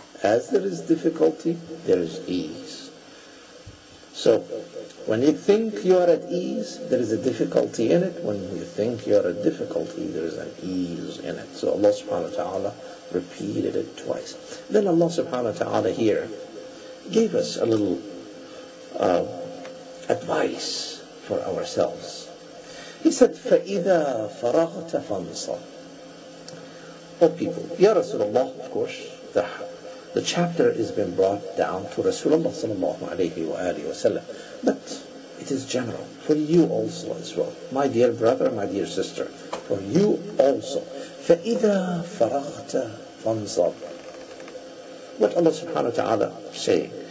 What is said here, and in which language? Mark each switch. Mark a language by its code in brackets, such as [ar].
[en] As there is difficulty, there is ease. So when you think you are at ease, there is a difficulty in it. When you think you are at difficulty, there is an ease in it. So Allah subhanahu wa ta'ala repeated it twice. Then Allah subhanahu wa ta'ala here gave us a little advice for ourselves. He said, [ar] فَإِذَا فَرَغْتَ فَانْصَرْ. [en] Oh people, Ya Rasulullah, of course, the chapter has been brought down to Rasulullah sallallahu alayhi wa alayhi wa sallam, but it is general for you also as well. My dear brother, my dear sister, for you also. [ar] فَإِذَا فَرَغْتَ فَانْصَرْ. [en] What Allah subhanahu wa ta'ala saying?